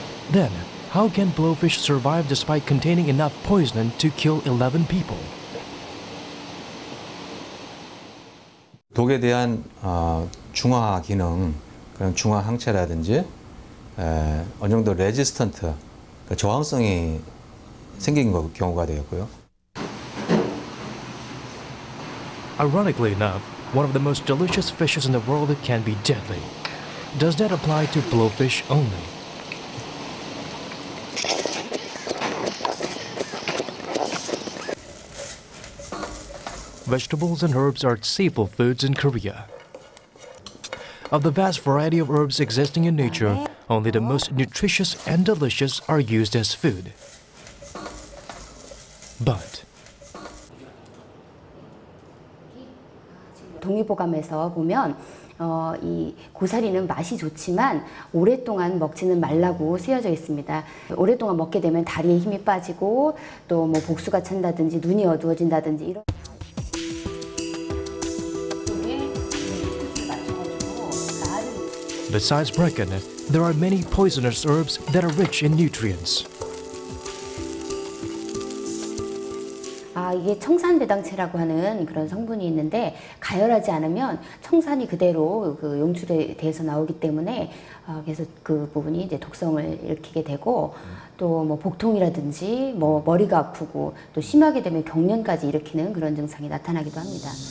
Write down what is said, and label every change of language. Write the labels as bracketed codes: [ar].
[en] Then, how can blowfish survive despite containing enough poison to kill 11 people? [ko] 독에 대한 중화 기능, 그냥 중화 항체라든지 어느 정도 레지스턴트, 그러니까 저항성이 생긴 거 경우가 되었고요. [en] Ironically enough, one of the most delicious fishes in the world can be deadly. Does that apply to blowfish only? Vegetables and herbs are staple foods in Korea. Of the vast variety of herbs existing in nature, only the most nutritious and delicious are used as food. But [ko] 동의보감에서 보면 이 고사리는 맛이 좋지만 오랫동안 먹지는 말라고 쓰여져 있습니다. 오랫동안 먹게 되면 다리에 힘이 빠지고 또 뭐 복수가 찬다든지 눈이 어두워진다든지 이런. 여기 [en] Besides bracken, there are many poisonous herbs that are rich in nutrients. [ko] 이게 청산배당체라고 하는 그런 성분이 있는데 가열하지 않으면 청산이 그대로 그 용출에 대해서 나오기 때문에 그래서 그 부분이 이제 독성을 일으키게 되고 또 뭐 복통이라든지 뭐 머리가 아프고 또 심하게 되면 경련까지 일으키는 그런 증상이 나타나기도 합니다.